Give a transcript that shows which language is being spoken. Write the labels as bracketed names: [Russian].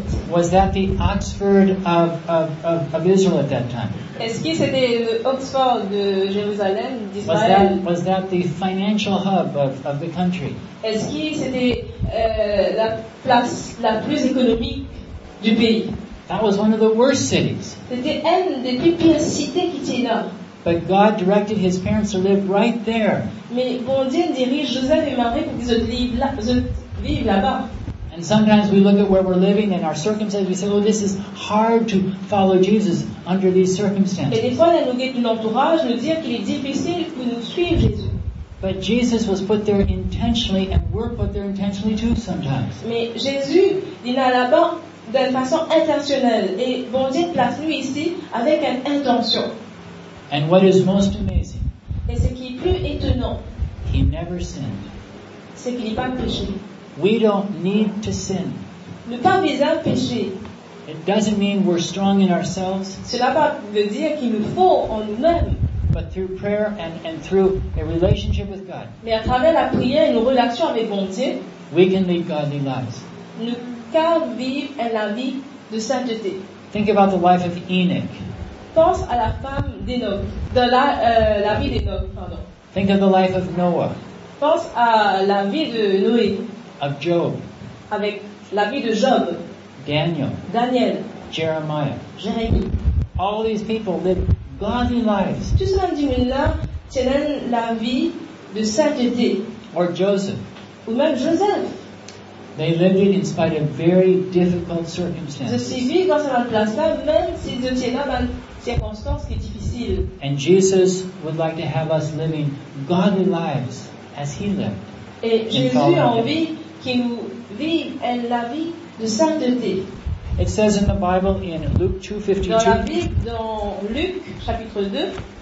[English] Was that the Oxford of Israel at that time? [French] Est-ce que c'était l'Oxford de Jérusalem, d'Israël? [English] Was that the financial hub of the country? [French] Est-ce que c'était la place la plus économique du pays? [English] That was one of the worst cities. [French] C'était une des plus pires cités qui était là. [English] But God directed his parents to live right there. [French] Mais bon Dieu dirige Joseph et Marie pour qu'ils vivent là-bas. [English] And sometimes we look at where we're living and our circumstances, we say, oh, this is hard to follow Jesus under these circumstances. [French] Et des fois, la nous guette l'entourage, nous dire qu'il est difficile de nous suivre Jésus. [English] But Jesus was put there intentionally and we're put there intentionally too sometimes. [French] Mais Jésus, il est là-bas d'une façon intentionnelle. Et bon Dieu place nous ici avec une intention. [English] And what is most amazing, [French] et ce qui est plus étonnant, [English] he never sinned. [French] C'est qu'il n'est pas péché. [English] We don't need to sin. [French] Ne pas viser un péché. [English] It doesn't mean we're strong in ourselves. [French] Cela pas veut dire qu'il nous faut en nous-mêmes. [English] But through prayer and through a relationship with God. [French] Mais à travers la prière et nos relations avec bon Dieu. [English] We can lead godly lives. [French] Nous pouvons vivre en la vie de sainteté. [English] Think about the life of Enoch. [French] Pense à la femme d'Enoch, la vie d'Enoch, pardon. [English] Think of the life of Noah. [French] Pense à la vie de Noé. [English] Of Job. [French] Avec la vie de Job. [English] Daniel. Jeremiah. [French] Jérémie. [English] All these people lived godly lives. [French] Tous ces individus-là tenaient la vie de sainteté. [English] Or Joseph. [French] Ou même Joseph. [English] They lived it in spite of very difficult circumstances. [French] Ils ont vécu dans cette place-là, même s'ils étaient dans une circonstance qui est difficile. [English] And Jesus would like to have us living godly lives as he lived. [French] Et Jésus a envie qu'il nous vive la vie de sainteté. [English] It says in the Bible in Luke 2:52. [French] Dans la Bible, dans Luc chapitre 2,